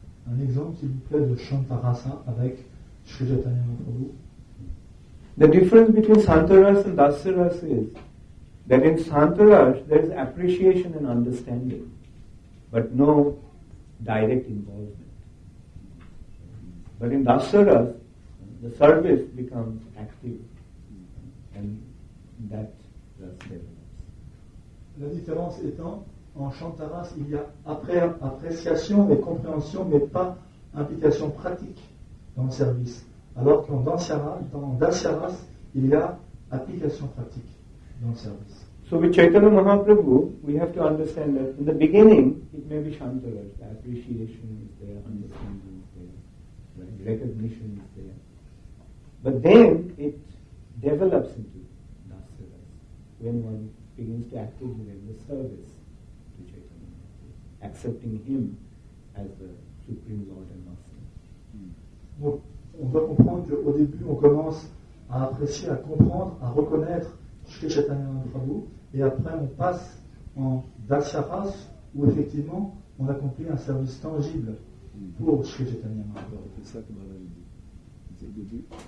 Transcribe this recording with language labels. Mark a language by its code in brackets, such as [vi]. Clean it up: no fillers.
[fr] Un exemple, s'il vous plaît, de Shantarasa avec Sri Chaitanya Mahaprabhu. [en] The difference between Shantarasa and Dasyarasa is that in Shantarasa there is appreciation and understanding. But no direct involvement. But in Dasaras, the service becomes active, and that thus develops. [fr] La différence étant, en Shantaras, il y a appréciation et compréhension, mais pas implication pratique dans le service. Alors qu'en Dasaras, il y a application pratique dans le service. [en] So with Chaitanya Mahaprabhu, we have to understand that in the beginning, it may be Shantaras, the appreciation is there, understanding is there, right? Recognition is there. But then it develops into Dasaras, when one begins to actively render service to Chaitanya Mahaprabhu, accepting him as the Supreme Lord and Master. Mm. [fr] Donc, on doit comprendre qu'au début, on commence à apprécier, à comprendre, à reconnaître Sri Chaitanya Mahaprabhu. Et après, on passe en Dasyaras, où effectivement, on accomplit un service tangible pour Sri Chaitanya Mahaprabhu. C'est ça que Maharaj dit.